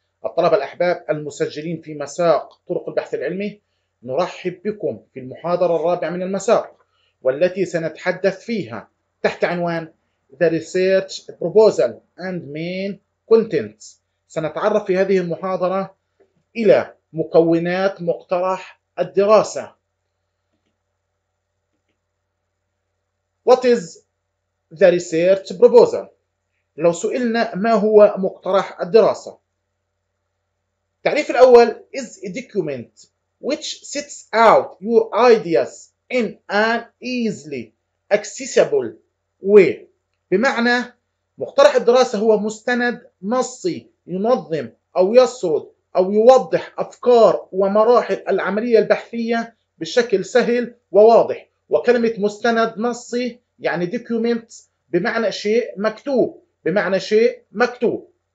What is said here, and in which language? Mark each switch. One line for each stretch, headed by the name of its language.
Arabic: الطلبة الأحباب المسجلين في مساق طرق البحث العلمي، نرحب بكم في المحاضرة الرابعة من المساق، والتي سنتحدث فيها تحت عنوان
English: The Research Proposal and Main Contents.
Arabic: سنتعرف في هذه المحاضرة إلى مكونات مقترح الدراسة.
English: What is the research proposal؟
Arabic: لو سئلنا ما هو مقترح الدراسة؟ التعريف الأول
English: is a document which sets out your ideas in an easily accessible way.
Arabic: بمعنى مقترح الدراسة هو مستند نصي ينظم أو يسرد أو يوضح أفكار ومراحل العملية البحثية بشكل سهل وواضح. وكلمة مستند نصي يعني document بمعنى شيء مكتوب، بمعنى شيء مكتوب.